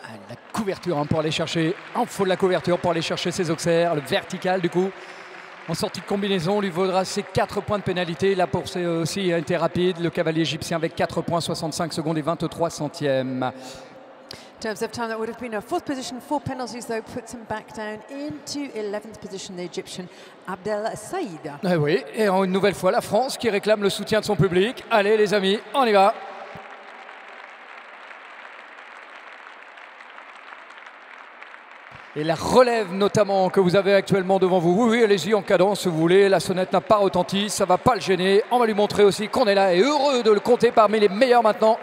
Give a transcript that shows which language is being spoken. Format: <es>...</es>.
<fr>La couverture hein, pour aller chercher, en faut de la couverture pour aller chercher ses Auxerre, le vertical du coup, en sortie de combinaison, lui vaudra ses 4 points de pénalité, là pour c'est aussi a été rapide, le cavalier égyptien avec 4 points, 65 secondes et 23 centièmes.</fr> <en>In terms of time, that would have been a fourth position, four penalties though, puts him back down into 11th position, the Egyptian Abdel Saïd.</en> <fr>Eh oui, et une nouvelle fois la France qui réclame le soutien de son public, allez les amis, on y va. Et la relève notamment que vous avez actuellement devant vous. Oui, allez-y en cadence si vous voulez. La sonnette n'a pas retenti, ça ne va pas le gêner. On va lui montrer aussi qu'on est là et heureux de le compter parmi les meilleurs maintenant.</fr>